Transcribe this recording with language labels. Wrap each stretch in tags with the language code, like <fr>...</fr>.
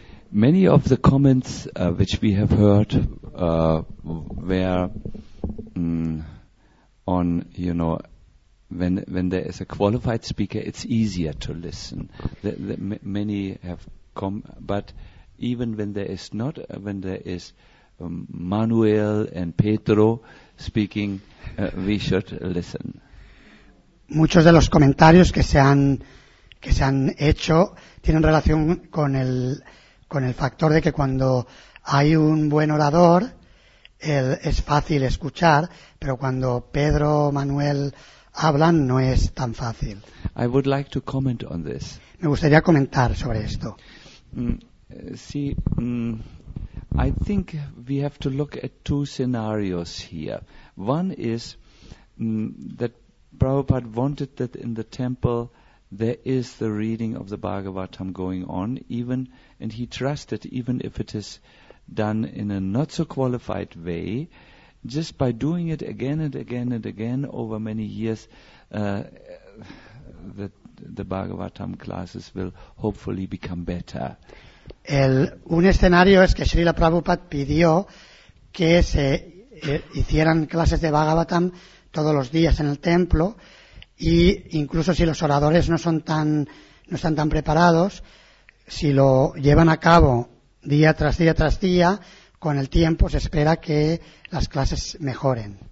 <en>Many of the comments which we have heard were on, you know, when there is a qualified speaker, it's easier to listen. Many have come, but even when there is not, when there is Manuel and Pedro speaking, we should listen.</en> <es>Muchos de los comentarios que se han hecho tienen relación con el factor de que cuando hay un buen orador, es fácil escuchar, pero cuando Pedro o Manuel hablan no es tan fácil.</es> <en>I would like to comment on this.</en> <es>Me gustaría comentar sobre esto.</es> <en>I think we have to look at two scenarios here. One is that Prabhupada wanted that in the temple there is the reading of the Bhagavatam going on, even, and he trusted even if it is done in a not so qualified way, just by doing it again and again and again over many years, that the Bhagavatam classes will hopefully become better.</en> <es>Un escenario es que Srila Prabhupada pidió que se hicieran clases de Bhagavatam todos los días en el templo, y incluso si los oradores no están tan preparados, si lo llevan a cabo día tras día tras día, con el tiempo se espera que las clases mejoren.</es>